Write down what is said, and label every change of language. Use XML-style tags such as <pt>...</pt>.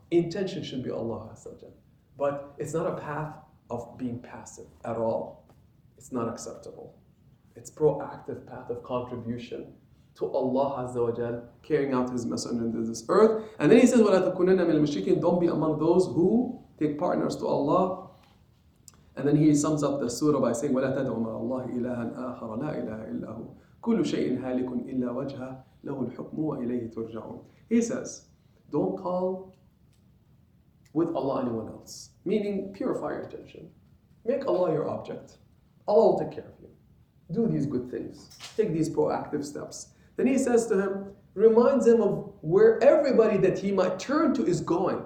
<en>Intention should be Allah. But it's not a path of being passive at all. It's not acceptable. It's proactive path of contribution to Allah Azza wa Jal, carrying out His message under this earth. And then he says,</en> <ar>وَلَا تَكُنَنَّ مِنَ الْمُشْرِكِينَ,</ar> <en>don't be among those who take partners to Allah. And then he sums up the surah by saying,</en> <ar>وَلَا تَدْعُ مَا اللَّهِ إِلَهًا آخَرَ لَا إِلَهَ إِلَّا هُ كُلُّ شَيْءٍ هَالِكٌ إِلَّا وَجْهَ لَهُ الْحُكْمُ وَإِلَيْهِ تُرْجَعُونَ.</ar> <en>He says, don't call with Allah anyone else. Meaning, purify your attention. Make Allah your object. Allah will take care of you. Do these good things. Take these proactive steps. Then he says to him, reminds him of where everybody that he might turn to is going.</en>